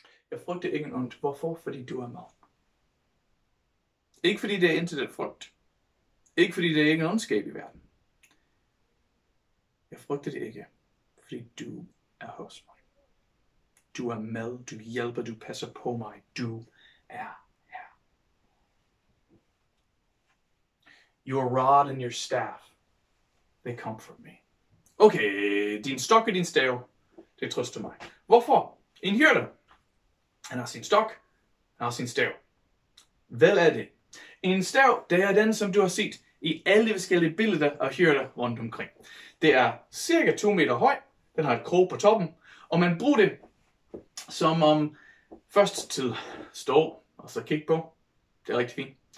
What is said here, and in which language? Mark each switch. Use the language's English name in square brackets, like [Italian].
[Danish] Jeg frygter ingen ondt. Hvorfor? Fordi du er mig. Ikke fordi det er intet frygt. Ikke fordi det er ingen ondskab i verden. Jeg frygter det ikke, fordi du er hos mig. Du er med, du hjælper, du passer på mig. Du er her. [English] Your rod and your staff, they comfort me. [Danish] Okay, din stok og din stav, det trøster mig. Hvorfor? En hyrde. Han har sin stok, han har sin stav. Hvad er det? En stav, det er den, som du har set i alle de forskellige billeder af hyrder rundt omkring. Det er cirka 2 meter høj. Den har et krog på toppen, og man bruger det som først til stå og så kigge på. Det er rigtig fint.